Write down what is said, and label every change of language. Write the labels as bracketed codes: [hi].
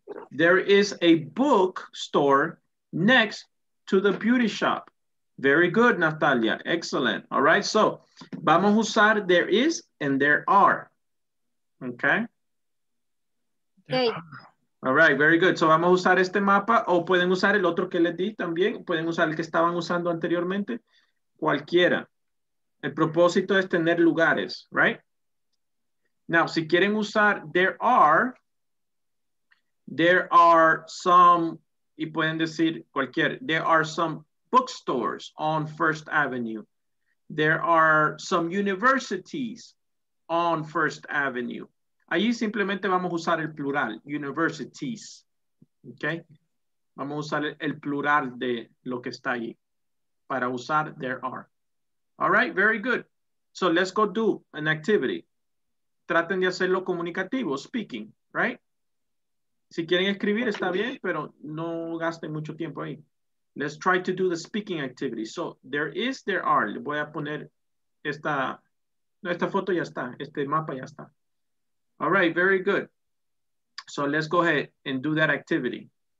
[en] There is a book store next to the beauty shop. Very good, Natalia. Excellent. All right. So, [es] vamos a usar [en] there is and there are. Okay. Okay. All right, very good. [es] So vamos a usar este mapa o pueden usar el otro que les di también. Pueden usar el que estaban usando anteriormente. Cualquiera. El propósito es tener lugares, [en] right? Now, [es] si quieren usar [en] there are some, y pueden decir cualquier, there are some bookstores on First Avenue. There are some universities on First Avenue. [es] Allí simplemente vamos a usar el plural, universities, okay? Vamos a usar el plural de lo que está allí para usar there are. [en] All right, very good. So let's go do an activity. [es] Traten de hacerlo comunicativo, [en] speaking, right? [es] Si quieren escribir está bien, pero no gasten mucho tiempo ahí. [en] Let's try to do the speaking activity. So there is, there are. [es] Le voy a poner esta, no, esta foto ya está, este mapa ya está. [en] All right, very good. So let's go ahead and do that activity.